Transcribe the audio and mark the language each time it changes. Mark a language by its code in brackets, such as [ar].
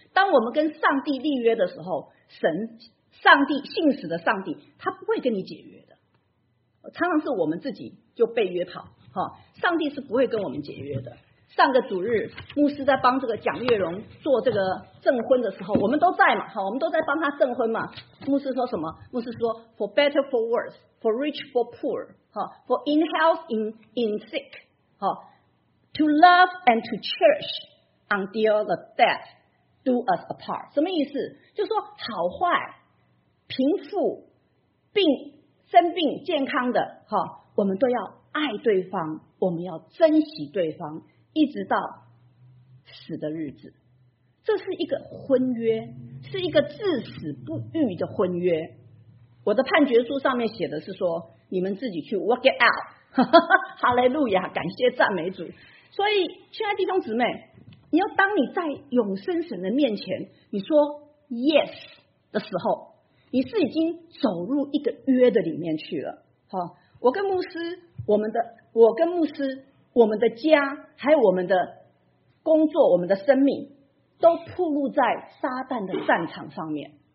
[zh] 当我们跟上帝立约的时候，上帝信实的上帝，他不会跟你解约的。常常是我们自己就被约跑，上帝是不会跟我们解约的。上个主日牧师在帮这个蒋月荣做这个证婚的时候，我们都在嘛，我们都在帮他证婚嘛。牧师说什么？牧师说 [en] for better for worse, for rich for poor, for in health in sick, to love and to cherish until the death do us apart。 [zh] 什么意思？就是说好坏贫富病生病健康的，我们都要爱对方，我们要珍惜对方，一直到死的日子。这是一个婚约，是一个至死不渝的婚约。我的判决书上面写的是说，你们自己去 [en] work it out。 [zh] 哈利路亚，感谢赞美主。所以亲爱弟兄姊妹，你要当你在永生神的面前你说 yes 的时候，你是已经走入一个约的里面去了。我跟牧师，我们的家还有我们的工作，我们的生命都暴露在撒旦的战场上面。